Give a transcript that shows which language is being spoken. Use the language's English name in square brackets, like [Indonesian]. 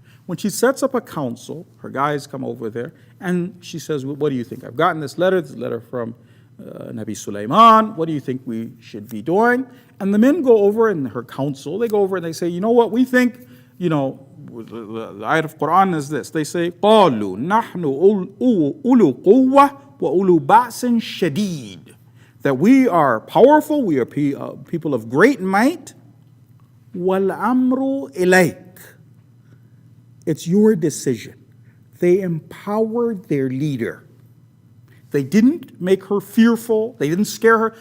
[English] When she sets up a council, her guys come over there, and she says, well, what do you think? I've gotten this letter from Nabi Sulaiman. What do you think we should be doing? And the men go over in her council. They go over and they say, you know what? We think, you know, the ayat of Quran is this. They say, [Arabic] قَالُوا نَحْنُ أُولُو قُوَّةٍ وَأُولُو بَأْسٍ شَدِيدٍ. [English] that we are powerful, we are people of great might. [Arabic] وَالْأَمْرُ إِلَيْكَ. [English] It's your decision. They empowered their leader. They didn't make her fearful. They didn't scare her.